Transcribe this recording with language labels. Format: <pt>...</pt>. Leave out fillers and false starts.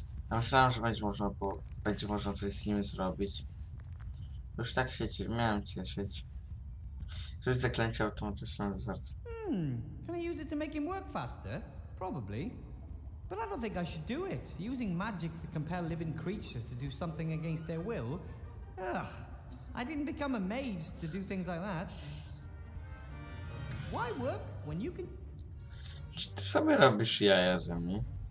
<pl>Ja myślałem, że będzie można coś z nim zrobić. Już tak się miałem cieszyć. Żeby zaklęcie automatyczne do serca.</pl> <en>Can I use it to make him work faster? Probably. But I don't think I should do it. Using magic to compel living creatures to do something against their will. Ugh. I didn't become a mage to do things like that. Why work when you can...</en> <pl>Czy ty sobie robisz jaja ze mnie?</pl>